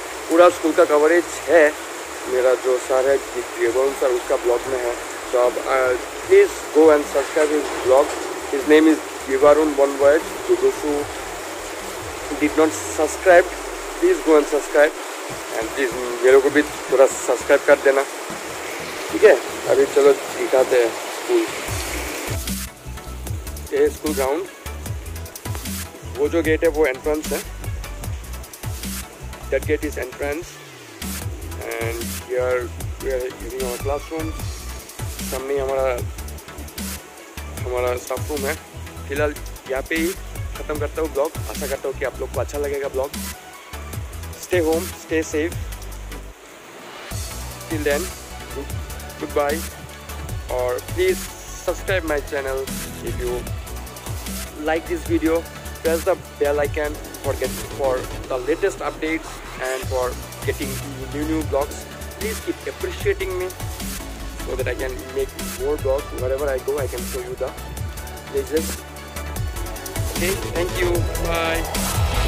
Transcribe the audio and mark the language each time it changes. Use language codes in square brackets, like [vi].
[hi] पूरा स्कूल का कवरेज है मेरा, जो सर है सर उसका ब्लॉग में है। [en] So please go and subscribe his blog. His name is Givarun Bonvoyage. To those who did not subscribe, please go and subscribe. And please [hi] mere ko bhi thoda subscribe kar dena. ठीक है, अभी चलो दिखाते हैं school. ये school ground, वो जो gate है वो एंट्रेंस है। [en] That gate is entrance. And here we are in our classrooms. [hi] सामने हमारा स्टाफ रूम है। फिलहाल यहाँ पे ही ख़त्म करता हूँ ब्लॉग। आशा करता हूँ कि आप लोग को अच्छा लगेगा blog. [en] Stay home, stay safe, till then good bye. और please subscribe my channel, if you like this video press the bell icon for the latest updates and for getting new blogs. Please keep appreciating me so that I can make more blogs. Wherever I go, I can show you the places. Okay, thank you. Bye.